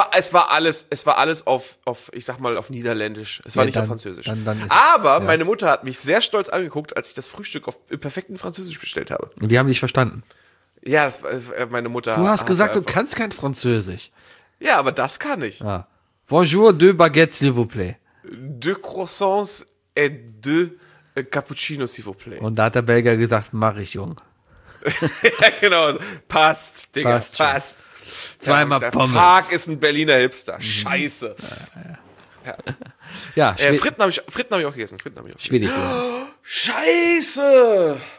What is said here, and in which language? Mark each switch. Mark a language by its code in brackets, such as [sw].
[de] Es war alles auf, ich sag mal, auf Niederländisch. Es war nicht auf Französisch. Dann meine Mutter hat mich sehr stolz angeguckt, als ich das Frühstück auf perfekten Französisch bestellt habe. Und die haben dich verstanden. Ja, meine Mutter. Du hast gesagt, du kannst kein Französisch. Ja, aber das kann ich. Ah. [fr] Bonjour, deux baguettes, s'il vous plaît. Deux croissants et deux cappuccinos, s'il vous plaît. [de] Und da hat der Belgier gesagt, mach ich, Jung. Ja, genau. Passt, Digga, passt. Zweimal Pommes. Fark ist ein Berliner Hipster. Scheiße. Ja. Fritten habe ich auch gegessen. Schwedisch. Scheiße!